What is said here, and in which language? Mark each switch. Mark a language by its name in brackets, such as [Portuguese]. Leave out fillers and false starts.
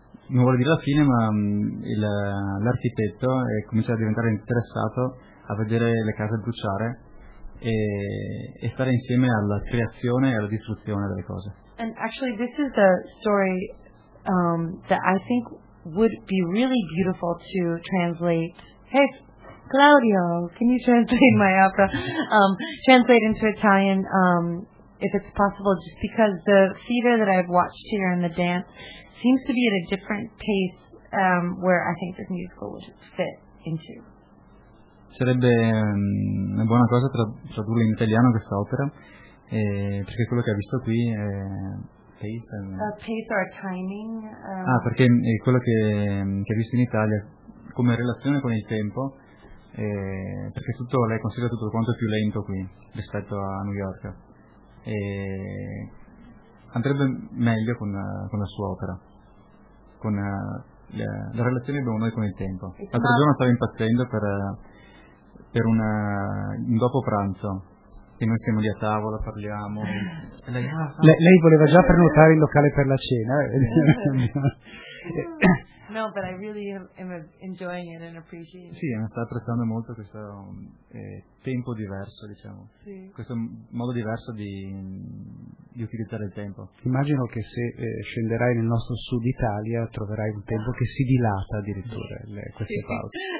[Italian] Non vuole dire la fine, ma l'architetto comincia a diventare interessato a vedere le case bruciare e stare insieme alla creazione e alla distruzione delle cose. [English] And actually this is a story that I think would be really beautiful to translate. Hey, Claudio, can you translate my opera? Translate into Italian if it's possible, just because the theater that I've watched here and the dance seems to be at a different pace where I think this musical would fit into. [Italian] Sarebbe una buona cosa tradurre in italiano questa opera, perché quello che ha visto qui è pace. [English] Pace or timing. [Italian] Perché quello che ha visto in Italia come relazione con il tempo, perché tutto lei considera tutto quanto più lento qui rispetto a New York. E andrebbe meglio con la sua opera, con la relazione che abbiamo noi con il tempo. L'altro giorno stavo impazzendo per un dopo pranzo, e noi siamo lì a tavola, parliamo. Lei voleva già prenotare il locale per la cena. [English] No, but I really am enjoying it and appreciating it. [Italian] Sì, mi sta apprezzando molto questo tempo diverso, diciamo. Sì. Questo modo diverso di utilizzare il tempo. Immagino che se scenderai nel nostro sud Italia troverai un tempo che si dilata addirittura, queste sì. Pause.